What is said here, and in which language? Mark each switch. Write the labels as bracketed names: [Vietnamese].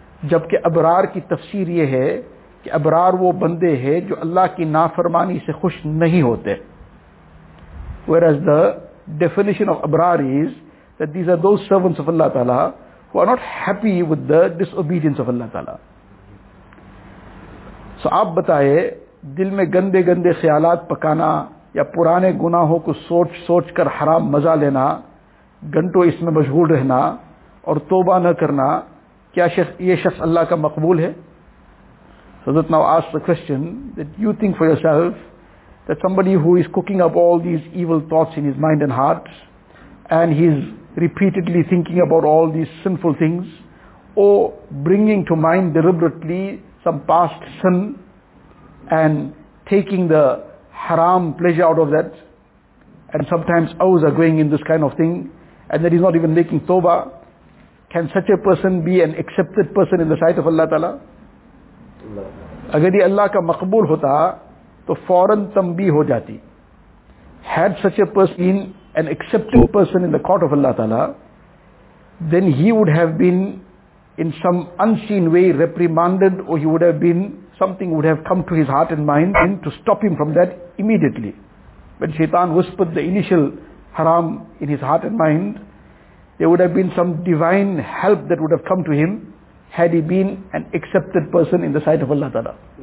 [Urdu] جبکہ ابرار کی تفسیر یہ ہے کہ ابرار وہ بندے ہیں جو اللہ کی نافرمانی سے خوش نہیں ہوتے. [English] Whereas the definition of ابرار is that these are those servants of Allah Ta'ala who are not happy with the disobedience of Allah Ta'ala. [Urdu] So آپ بتائے, دل میں گندے گندے خیالات پکانا یا پرانے گناہوں کو سوچ سوچ کر حرام مزہ لینا, گھنٹوں اس میں مشغول رہنا اور توبہ نہ کرنا, کیا یہ شخص اللہ کا مقبول ہے؟ [English] So that now ask the question that you think for yourself that somebody who is cooking up all these evil thoughts in his mind and heart and he's repeatedly thinking about all these sinful things or bringing to mind deliberately some past sin and taking the haram pleasure out of that, and sometimes hours are going in this kind of thing and that he's not even making tawbah, can such a person be an accepted person in the sight of Allah Ta'ala? [Urdu] اگر یہ اللہ کا مقبول ہوتا تو فوراً تنبیہ ہو جاتی. [English] Had such a person been an accepted person in the court of Allah Ta'ala, then he would have been in some unseen way reprimanded, or he would have been, something would have come to his heart and mind and to stop him from that immediately. When Shaitan whispered the initial haram in his heart and mind, there would have been some divine help that would have come to him had he been an accepted person in the sight of Allah Ta'ala.